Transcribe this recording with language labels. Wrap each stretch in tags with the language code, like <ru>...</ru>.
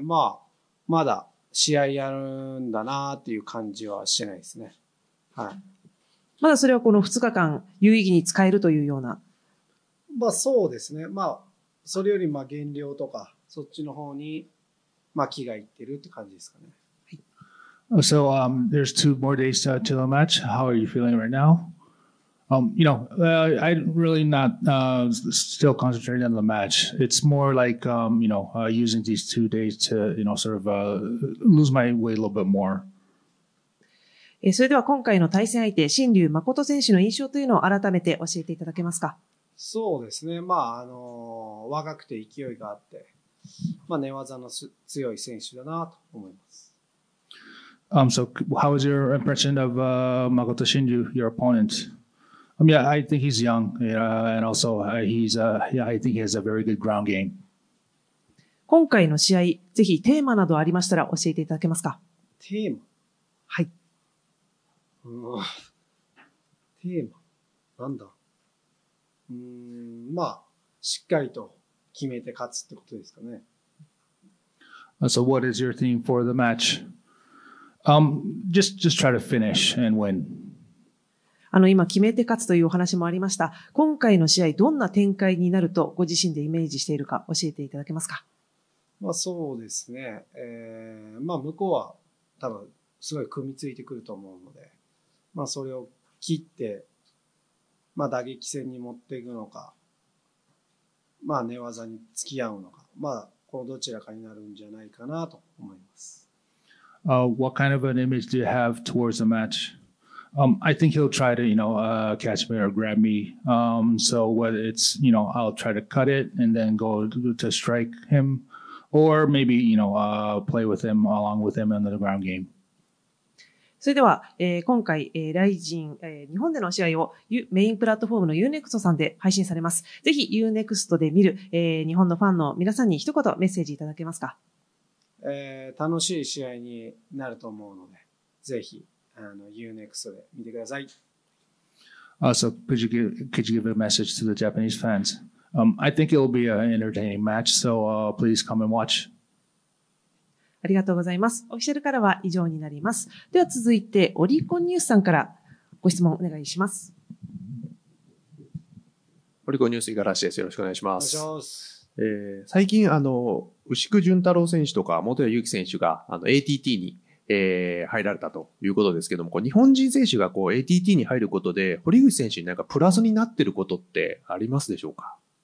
<ja>まあ、まだ試合やるんだなっていう感じはしないですね。はい。まだそれはこの2日間有意義に使えるというような。まあそうですね。まあ、それよりまあ減量とか、そっちの方に、まあ気がいってるって感じですかね。</ja> <en>はい。So, there's two more days to the match. How are you feeling right now? You know, I'm really not still concentrating on the match. It's more like, you know, using these 2 days to, you know, sort of lose my weight a little bit more.</en> <ja>それでは今回の対戦相手、新龍誠選手の印象というのを改めて教えていただけますか。そうですね。まあ、若くて勢いがあって、まあ、寝技の強い選手だなと思います。</ja> <en>So, how was your impression of誠新龍, your opponent? Yeah, I think he's young, and also he's I think he has a very good ground game.</en> <ja>今回の試合、ぜひテーマなどありましたら教えていただけますか。テーマ、はい。テーマ、なんだ。まあしっかりと決めて勝つってことですかね。</ja> <en>So what is your theme for the match? Just try to finish and win.</en> <ja>今決めて勝つというお話もありました。今回の試合どんな展開になるとご自身でイメージしているか教えていただけますか。まあそうですね。まあ向こうは多分すごい組みついてくると思うので、まあそれを切って、まあ打撃戦に持っていくのか、まあ寝技に付き合うのか、まあこのどちらかになるんじゃないかなと思います。</ja> <en>What kind of an image do you have towards the match? I think he'll try to, you know, catch me or grab me. So whether it's, you know, I'll try to cut it and then go to strike him or maybe, you know, play with him along with him in the ground game.</en> <ja>それでは、今回、ライジン、日本での試合をメインプラットフォームの Unext さんで配信されます。ぜひ Unext で見る、日本のファンの皆さんに一言メッセージいただけますか。楽しい試合になると思うので、ぜひ。 Unext で見てください。</ja> <en>So, could you give a message to the Japanese fans? I think it will be an entertaining match, so please come and watch.</en> <ja>ありがとうございます。オフィシャルからは以上になります。では続いてオリコンニュースさんからご質問お願いします。オリコンニュース井原氏です。よろしくお願いします。お願いします。最近牛久潤太郎選手とか本谷裕樹選手がATT に入られたということですけども、こう日本人選手がこう ATT に入ることで堀口選手になんかプラスになってることってありますでしょうか。</ja>